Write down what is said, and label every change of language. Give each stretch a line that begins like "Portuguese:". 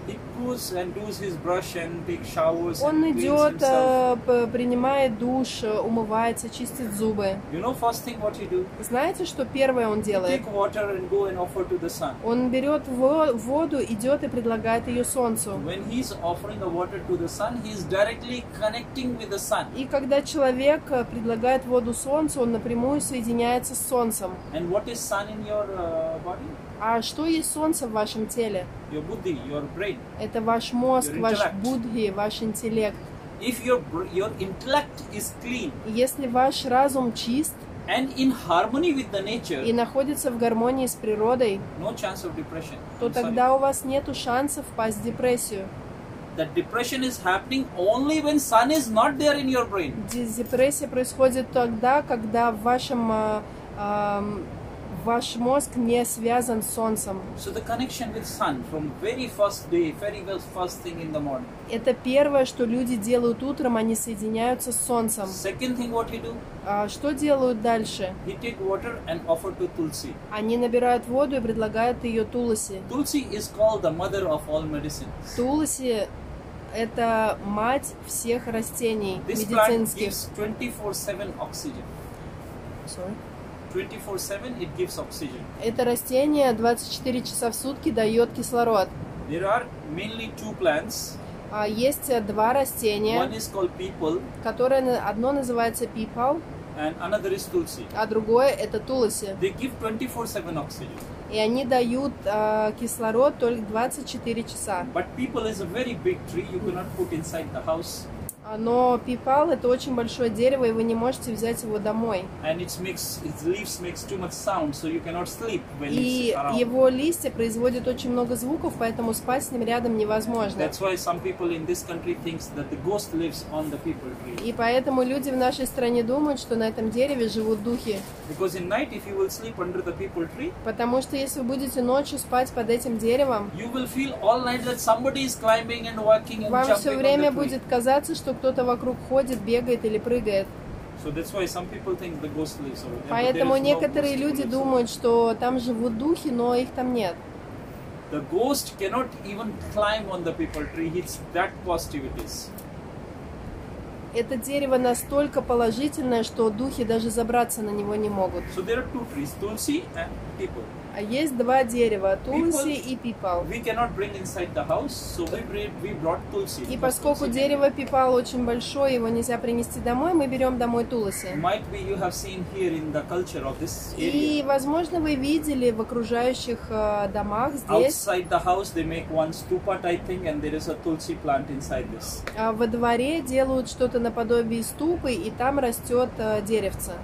English: He goes and does his brush and takes showers.
Russian: Он идет, принимает душ, умывается, чистит зубы.
English: You know first thing what you do?
Russian: Знаете, что первое он делает?
English: He take water and go and offer to the sun.
Russian: Он берет воду, идет и предлагает ее солнцу.
English: When he is offering the water to the sun, he is directly connecting with the sun.
Russian: И когда человек предлагает воду солнцу, он напрямую соединяется с солнцем.
English: And what is sun in your body?
Russian: А что есть солнце в вашем теле?
English: Your buddhi, your brain.
Russian: Это ваш мозг, ваш будхи, ваш интеллект.
English: If your intellect is clean,
Russian: если ваш разум чист
English: and in harmony with the nature,
Russian: и находится в гармонии с природой,
English: no chance of depression.
Russian: То тогда у вас нет шансов впасть в депрессию.
English: That depression is happening only when sun is not there in your brain.
Russian: Депрессия происходит тогда, когда ваш мозг не связан с солнцем.
English: So the connection with sun from very first day, very first thing in the morning.
Russian: Это первое, что люди делают утром, они соединяются с солнцем.
English: Second thing what you do?
Russian: Что делают дальше?
English: They take water and offer to Tulsi.
Russian: Они набирают воду и предлагают ее Тулси.
English: Tulsi is called the mother of all medicines.
Russian: Тулси это мать всех растений медицинских.
English: This plant gives 24/7 oxygen. Sorry. 24/7 it gives oxygen.
Russian: Это растение 24 часа в сутки дает кислород.
English: There are mainly two plants.
Russian: Есть два растения.
English: One is called people.
Russian: Которое одно называется people.
English: And another is tulsi.
Russian: А другое это тулси.
English: They give 24/7 oxygen.
Russian: И они дают кислород только 24 часа.
English: But people is a very big tree. You cannot put inside the house.
Russian: Но пипал — это очень большое дерево, и вы не можете взять его домой.
English: And its leaves makes too much sound, so you cannot sleep when it's around.
Russian: И его листья производят очень много звуков, поэтому спать с ним рядом невозможно.
English: That's why some people in this country think that the ghost lives on the peepal tree.
Russian: И поэтому люди в нашей стране думают, что на этом дереве живут духи.
English: Because in night, if you will sleep under the peepal tree.
Russian: Потому что если вы будете ночью спать под этим деревом,
English: you will feel all night that somebody is climbing and walking and jumping.
Russian: Вам все время будет казаться, что кто-то вокруг ходит, бегает или прыгает.
English: So that's why some people think the ghost lives over there.
Russian: Поэтому некоторые люди думают, что там живут духи, но их там нет.
English: The ghost cannot even climb on the peepal tree. It's that positive it is.
Russian: Это дерево настолько положительное, что духи даже забраться на него не могут.
English: So there are two trees, Tulsi and peepal.
Russian: А есть два дерева, тулси и пипал.
English: We cannot bring inside the house, so we brought tulsi.
Russian: И поскольку дерево пипал очень большое, его нельзя принести домой, мы берем домой тулси.
English: Might be you have seen here in the culture of this area.
Russian: И, возможно, вы видели в окружающих домах здесь.
English: Outside the house they make one stupa type thing, and there is a tulsi plant inside this.
Russian: А во дворе делают что-то наподобие ступы, и там растет деревце.